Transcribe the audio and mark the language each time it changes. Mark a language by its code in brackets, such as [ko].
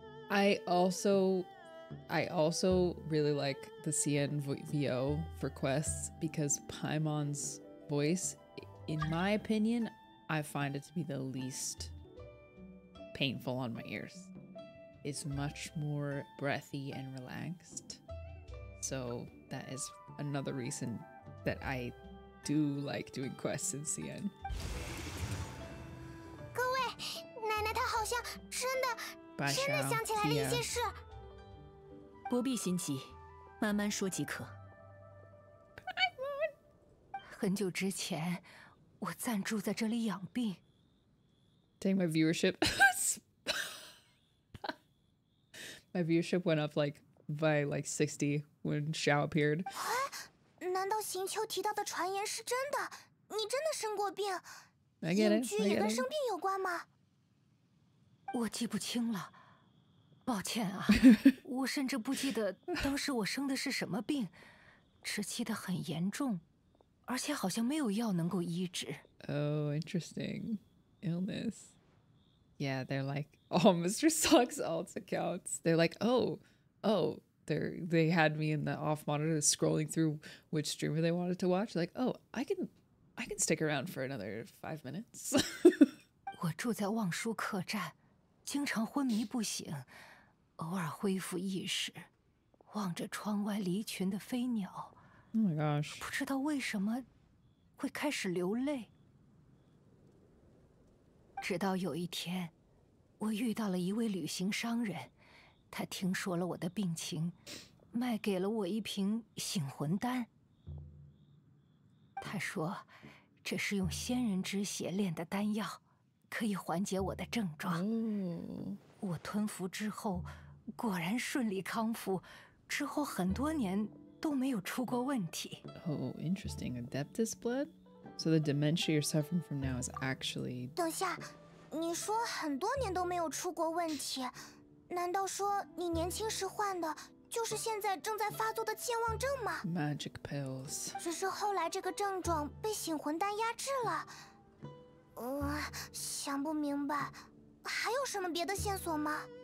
[en] I also really like the CNVO for quests because Paimon's voice, in my opinion, I find it to be the least painful on my ears. It's much more breathy and relaxed. So that is another reason that I do like doing quests in CN. [zh] 各位，奶奶她好像真的真的想起来了一些事。不必心急，慢慢说即可。很久之前，我暂住在这里养病。 [en] Take my viewership. My viewership went up like by like 60 when Xiao appeared. [zh] 难道行秋提到的传言是真的？你真的生过病？ [en] I get it. 隐 [zh] 居也跟生病有关吗？我记不清了，抱歉啊，我甚至不记得当时我生的是什么病，只记得很严重，而且好像没有药能够医治。 [en] Oh, interesting. Illness. Yeah, they're like, oh, Mr. Sucks alt accounts. They're like, oh, they had me in the off monitor scrolling through which streamer they wanted to watch. Like, oh, I can stick around for another 5 minutes. [zh] 我住在望舒客栈，经常昏迷不醒，偶尔恢复意识，望着窗外离群的飞鸟。 [en] Oh my gosh. [zh] 不知道为什么会开始流泪。直到有一天，我遇到了一位旅行商人，他听说了我的病情，卖给了我一瓶醒魂丹。他说，这是用仙人之血炼的丹药，可以缓解我的症状。嗯，我吞服之后，果然顺利康复，之后很多年都没有出过问题。 [en] Oh, interesting. Adeptus blood? So the dementia you're suffering from now is actually... [zh] 等下，你说很多年都没有出过问题，难道说你年轻时患的就是现在正在发作的健忘症吗？ [en] Magic pills. [zh] 只是后来这个症状被醒魂丹压制了。想不明白，还有什么别的线索吗？